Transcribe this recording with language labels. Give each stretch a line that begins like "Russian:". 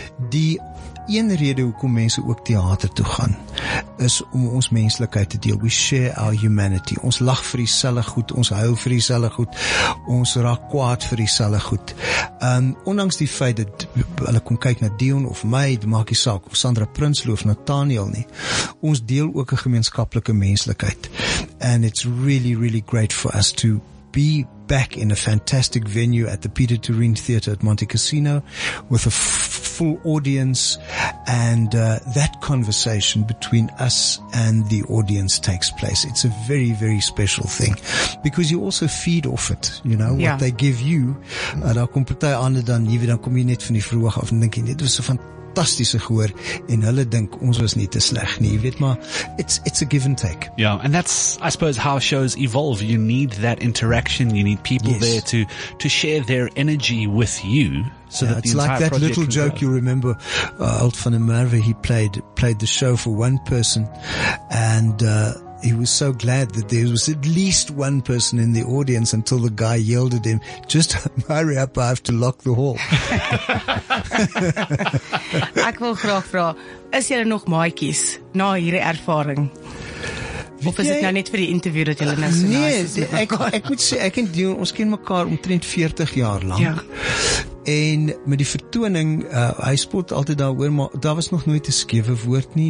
Afrikaans: Die een rede hoekom mense ook theater toe gaan, is om ons menslikheid te deel.
English: We share our humanity.
Afrikaans: Ons lag vir dieselfde goed, ons huil vir dieselfde goed, ons raak kwaad vir dieselfde goed. Ondanks die feit dat hulle kon kyk na Dion of my, dit maak nie saak, of Sandra Prinsloo of Nathaniel nie, ons deel ook 'n gemeenskaplike menslikheid.
English: And it's really, really great for us to be back in a fantastic venue at the Peter Turin Theatre at Monte Cassino with a full audience, and that conversation between us and the audience takes place. It's a very, very special thing because you also feed off it, you know, what they give you.
Afrikaans: Daar kom party ander dan hier, dan kom jy net van die vroeg af en dink jy net was so fantastiese gehoor en hulle dink ons was nie te sleg nie, jy weet, maar
English: it's a give and take. Yeah, and that's, I suppose, how shows evolve. You need that interaction, you need people there to share their energy with you. So it's like that little joke you remember, Alt van der Merwe, he played the show for one person, and he was so glad that there was at least one person in the audience until the guy yelled at him, just hurry up, I have to lock the hall.
Afrikaans: Ek wil graag vra, is jy nog maatjies na hierdie ervaring? Of is dit nou net vir die interview dat julle nou so nee, nice is? Nee, ek moet sê, ek en Dion, ons ken mekaar omtrent 40 jaar lang. En met die vertoning, hy spot altyd daaroor, maar daar was nog nooit 'n skewe woord nie.